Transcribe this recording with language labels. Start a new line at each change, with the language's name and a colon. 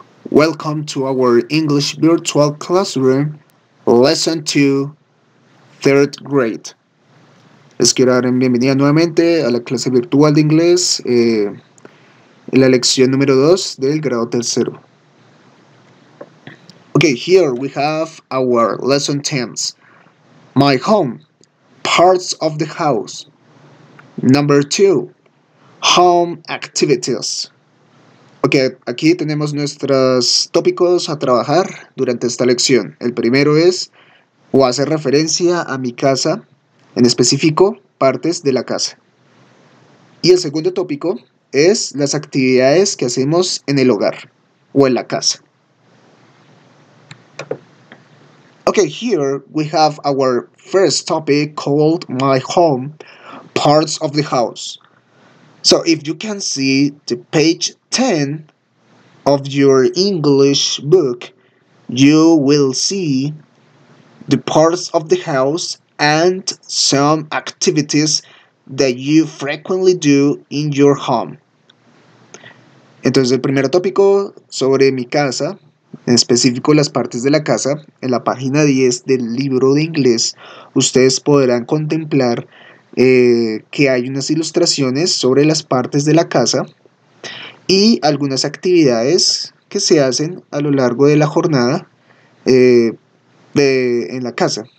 English: Welcome to our English virtual classroom, lesson 2, third grade.
Spanish: Les quiero dar bienvenida nuevamente a la clase virtual de inglés, en la lección número 2 del grado tercero.
English: Okay, here we have our lesson 10s. My home, parts of the house. Number 2. Home activities.
Spanish: Ok, aquí tenemos nuestros tópicos a trabajar durante esta lección. El primero es, o hace referencia a mi casa, en específico, partes de la casa. Y el segundo tópico es las actividades que hacemos en el hogar o en la casa.
English: Ok, here we have our first topic called my home, parts of the house. So, if you can see the page 10 of your English book, you will see the parts of the house and some activities that you frequently do in your home.
Spanish: Entonces, el primer tópico sobre mi casa, en específico las partes de la casa, en la página 10 del libro de inglés, ustedes podrán contemplar que hay unas ilustraciones sobre las partes de la casa y algunas actividades que se hacen a lo largo de la jornada en la casa.